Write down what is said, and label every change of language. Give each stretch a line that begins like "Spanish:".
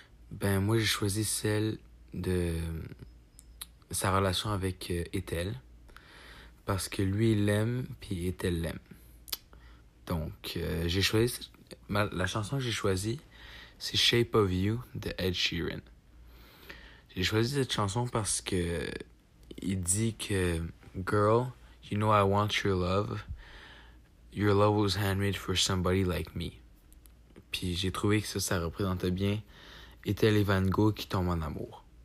French: Ben moi j'ai choisi celle de sa relation avec Ethel parce que lui il l'aime puis Ethel l'aime. Donc j'ai choisi la chanson que j'ai choisie, c'est Shape of You de Ed Sheeran. J'ai choisi cette chanson parce que il dit que
English: girl, you know I want your love. Your love was handmade for somebody like me.
French: Puis j'ai trouvé que ça représentait bien Ethel et Van Gogh qui tombent en amour.